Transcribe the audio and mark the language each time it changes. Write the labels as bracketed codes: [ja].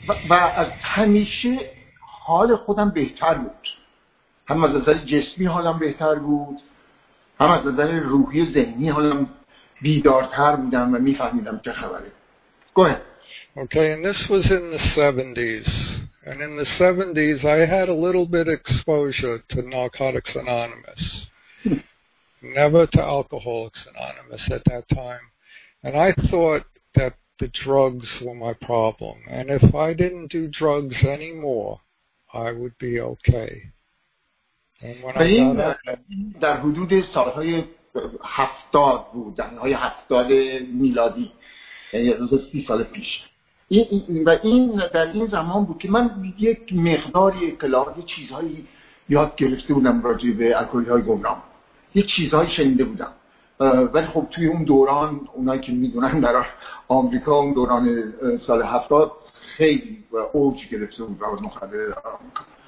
[fa] و از همیشه حال خودم بهتر بود، هم از نظر جسمی حالم بهتر بود، هم از نظر روحی ذهنی حالم بیدارتر بودم و میفهمیدم چه خبره. [en] Go ahead. Okay, and this was in the 70s. And in the 70s, I had a little bit of exposure to Narcotics Anonymous. Never to Alcoholics Anonymous at that time. And I thought that the drugs were my problem. And if I didn't do drugs anymore, I would be okay. [fa] این در حدود سالهای 70 بود، سالهای 70 میلادی، یعنی روز 30 سال پیش. و این در این زمان بود که من یک مقداری اطلاعات چیزهایی یاد گرفته بودم راجع به الکلی‌های گمنام، یک چیزهایی شنیده بودم، ولی خب توی اون دوران، اونایی که میدونن در آمریکا اون دوران سال 70 خیلی اوج گرفته بود مواد مخدر آمریکا.